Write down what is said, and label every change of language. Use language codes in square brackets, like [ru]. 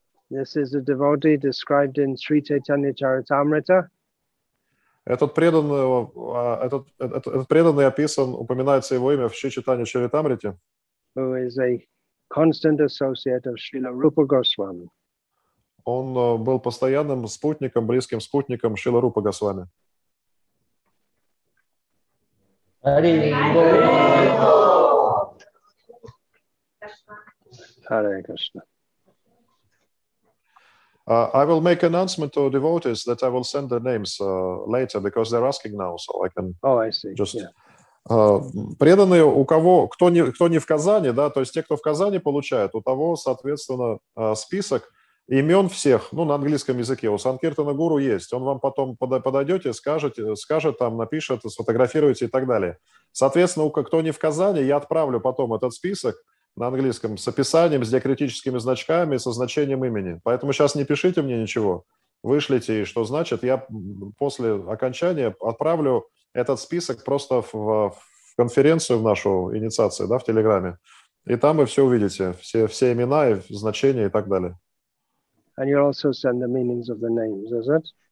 [en] This is a devotee described in Sri Chaitanya Charitamrita. [ru] Этот преданный описан, упоминается его имя в Шри Чайтанья Чаритамрите. [en] Who is a constant associate of Srila Rupa Goswami. [ru] Он был постоянным спутником, близким спутником Шрила Рупа Госвами. [en] Hare Krishna. I will make announcement to devotees that I will send their names later because they're asking now, so I can. Oh, I see. Just [ru] преданные у кого кто не в Казани, да, то есть те, кто в Казани получают, у того соответственно список имен всех, ну на английском языке. У Санкиртана Гуру есть, он вам потом подойдете, скажет там, напишет, сфотографируете и так далее. Соответственно, у кто не в Казани, я отправлю потом этот список на английском, с описанием, с диакритическими значками, со значением имени. Поэтому сейчас не пишите мне ничего, вышлите, и что значит. Я после окончания отправлю этот список просто в конференцию в нашу инициацию, да, в Телеграме. И там вы все увидите, все имена и значения и так далее. [en] And you also send the meanings of the names, is it?